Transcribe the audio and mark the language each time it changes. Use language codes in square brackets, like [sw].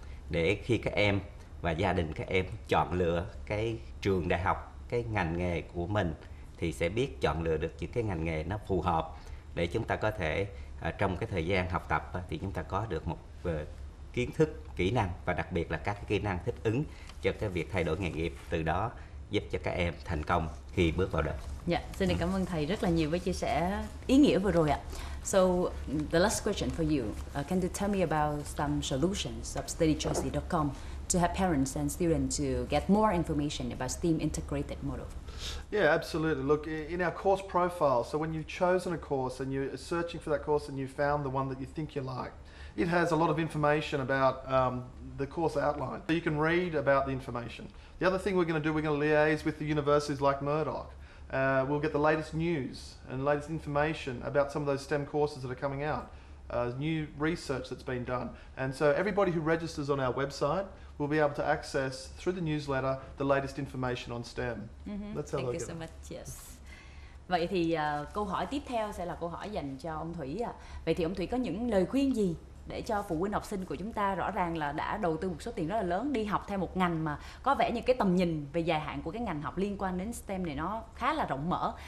[vi] để khi các em và gia đình các em chọn lựa cái trường đại học, cái ngành nghề của mình thì sẽ biết chọn lựa được những cái ngành nghề nó phù hợp để chúng ta có thể trong cái thời gian học tập thì chúng ta có được một kiến thức, kỹ năng và đặc biệt là các cái kỹ năng thích ứng cho cái việc thay đổi nghề nghiệp, từ đó giúp cho các em thành công khi bước vào đời. Dạ, xin được cảm ơn thầy rất là nhiều với chia sẻ ý nghĩa vừa rồi ạ. [en] So, the last question for you. Can you tell me about some solutions of studychoices.com to help parents and students to get more information about STEAM integrated model? Yeah, absolutely. Look, in our course profile, so when you've chosen a course and you're searching for that course and you found the one that you think you like, it has a lot of information about the course outline. So you can read about the information. The other thing we're going to do, we're going to liaise with the universities like Murdoch. We'll get the latest news and latest information about some of those STEM courses that are coming out, new research that's been done. And so everybody who registers on our website we'll be able to access through the newsletter the latest information on STEM. That's how Thank you so much. Yes. [vi] Vậy thì câu hỏi tiếp theo sẽ là câu hỏi dành cho ông Thủy ạ. Vậy thì ông Thủy có những lời khuyên gì để cho phụ huynh học sinh của chúng ta rõ ràng là đã đầu tư một số tiền rất là lớn đi học theo một ngành mà có vẻ như cái tầm nhìn về dài hạn của cái ngành học liên quan đến STEM này nó khá là rộng mở.